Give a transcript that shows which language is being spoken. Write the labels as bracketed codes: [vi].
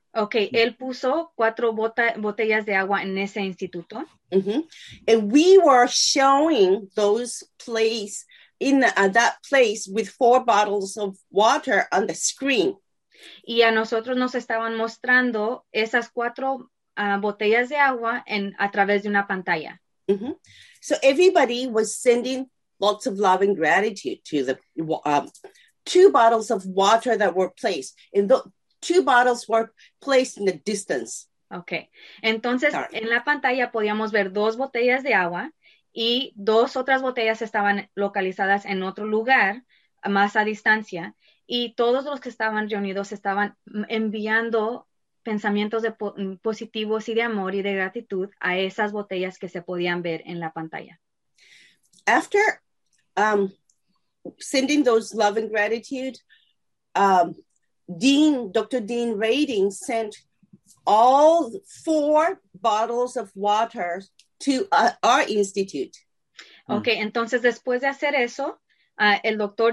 [es] Okay, él puso 4 botellas de agua en ese instituto. Mm-hmm. [en] And we were showing those place in that place with 4 bottles of water on the screen. [es] Y a nosotros nos estaban mostrando esas 4 botellas de agua en a través de una pantalla. Mm-hmm. [en] So everybody was sending lots of love and gratitude to the 2 bottles of water that were placed. And the 2 bottles were placed in the distance. Okay. [es] Entonces, en la pantalla podíamos ver 2 botellas de agua y 2 otras botellas estaban localizadas en otro lugar, más a distancia. Y todos los que estaban reunidos estaban enviando pensamientos de positivos y de amor y de gratitud a esas botellas que se podían ver en la pantalla. [en] After sending those love and gratitude, Dr. Dean Radin sent all 4 bottles of water to our institute. [es] Okay, entonces después de hacer eso, el Dr.